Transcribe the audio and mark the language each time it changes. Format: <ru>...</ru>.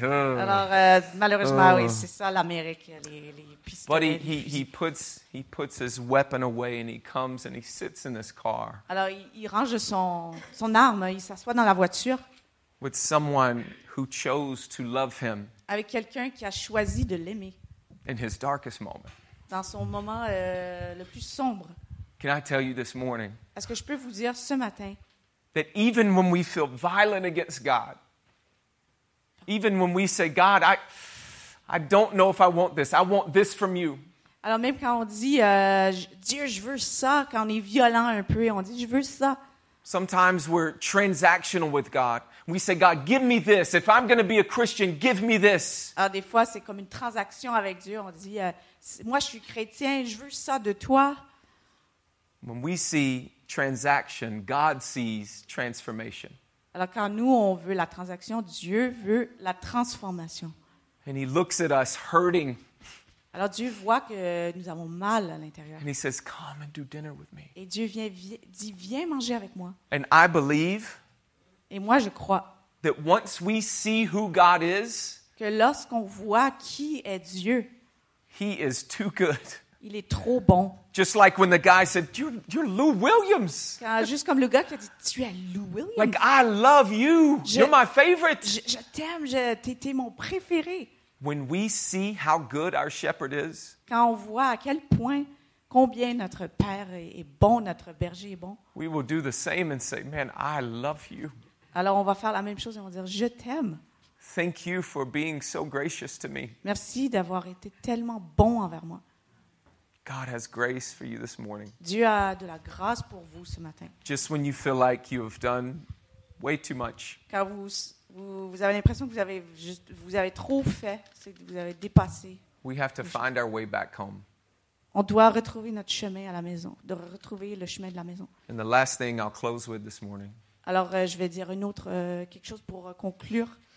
<fr>Alors malheureusement, oui, c'est ça l'Amérique, les pistolets.</fr> <en>But he puts his weapon away, and he comes and he sits in this car.</en> <fr>Alors il range son arme, il s'assoit dans la voiture.</fr> <en>With someone who chose to love him.</en> <fr>Avec quelqu'un qui a choisi de l'aimer.</fr> <en>In his darkest moment.</en> <fr>Dans son moment le plus sombre.</fr> <en>Can I tell you this morning?</en> <fr>Est-ce que je peux vous dire ce matin?</fr> <en>That even when we feel violent against God, even when we say, "God, I don't know if I want this. I want this from you."</en> <fr>Alors même quand on dit Dieu, je veux ça, quand on est violent un peu, on dit je veux ça.</fr> <en>Sometimes we're transactional with God. We say, "God, give me this. If I'm going to be a Christian, give me this."</en> <fr>Alors des fois, c'est comme une transaction avec Dieu. On dit, moi, je suis chrétien, je veux ça de toi.</fr> <en>When we see transaction, God sees transformation.</en> <fr>Alors quand nous, on veut la transaction, Dieu veut la transformation.</fr> <en>And he looks at us hurting.</en> <fr>Alors Dieu voit que nous avons mal à l'intérieur.</fr> <en>And he says, "Come and do dinner with me."</en> <fr>Et Dieu dit, viens manger avec moi.</fr> <en>And I believe...</en> <fr>Et moi, je crois</fr> <en>that once we see who God is,</en> <fr>que lorsqu'on voit qui est Dieu,</fr> <en>he is too good.</en> <fr>Il est trop bon.</fr> <en>Just like when the guy said, you're Lou Williams.</en> <fr>Juste comme le gars qui a dit, tu es Lou Williams.</fr> <en>Like, I love you. You're my favorite.</en> <fr>Je t'aime. T'étais mon préféré.</fr> <en>When we see how good our shepherd is,</en> <fr>quand on voit à quel point combien notre père est bon, notre berger est bon,</fr> <en>we will do the same and say, "Man, I love you."</en> <fr>Alors on va faire la même chose et on va dire, je t'aime.</fr> <en>Thank you for being so gracious to me.</en> <fr>Merci d'avoir été tellement bon envers moi.</fr> <en>God has grace for you this morning.</en> <fr>Dieu a de la grâce pour vous ce matin.</fr> <en>Just when you feel like you have done way too much.</en> <fr>Quand vous avez l'impression que vous avez trop fait, c'est que vous avez dépassé.</fr> <en>We have to find our way back home.</en> <fr>On doit retrouver notre chemin à la maison, de retrouver le chemin de la maison.</fr> <en>And the last thing I'll close with this morning.</en> <fr>Alors je vais dire une autre quelque chose pour conclure.</fr>